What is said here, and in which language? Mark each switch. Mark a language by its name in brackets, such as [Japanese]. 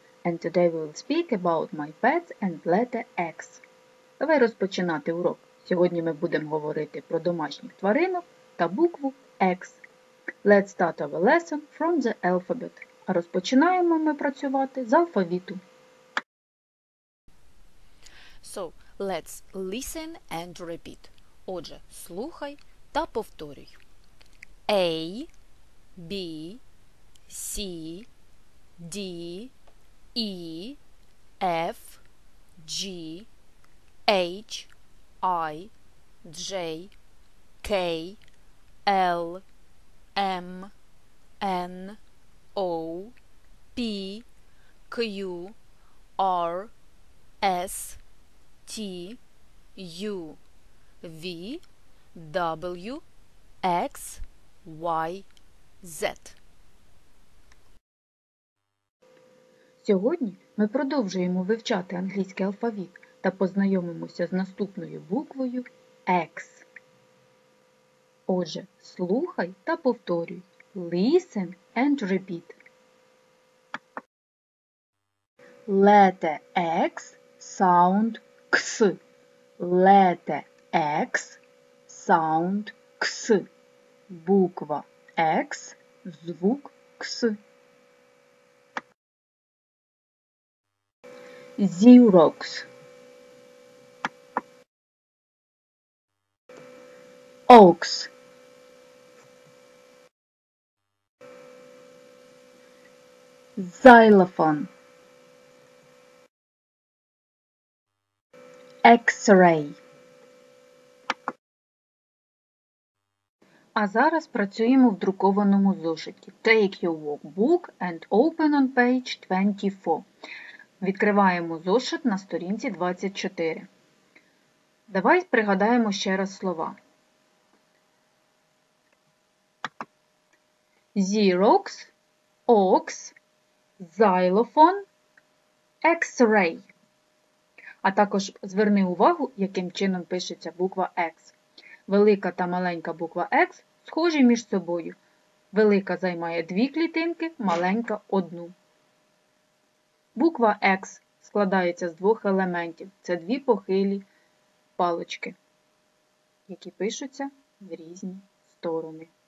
[English] And today we will speak about my pet and letter X. [Ukrainian] Давай розпочинати урок. Сьогодні ми будемо говорити про домашніх тваринок та букву X. [English] Let's start our lesson from the alphabet. [Ukrainian] А розпочинаємо ми працювати з алфавіту. [English] So, let's listen and repeat. [Ukrainian] Отже, слухай та повторюй. [English] A, B, C, D, E, F, G, H, I, J, K, L, M, N, O, P, Q, R, S, T, U, V, W, X, Y, Z. [Ukrainian] Сьогодні ми продовжуємо вивчати англійський алфавіт та познайомимося з наступною буквою X. Отже, слухай та повторюй. [English] Listen and repeat. Letter X sound кс. Letter X sound кс. [Ukrainian] Буква X звук кс. [English] Xerox. Ox. Xylophone. X-ray. [Ukrainian] А зараз працюємо в друкованому зошиті. [English] Take your workbook and open on page 24. [Ukrainian] Відкриваємо зошит на сторінці 24. Давай пригадаємо ще раз слова. [English] Xerox, Ox, Xylophone, X-ray. [Ukrainian] А також зверни увагу, яким чином пишеться буква X. Велика та маленька буква X схожі між собою. Велика займає дві клітинки, маленька – одну. Буква X складається з двох елементів. Це дві похилі палочки, які пишуться в різні сторони.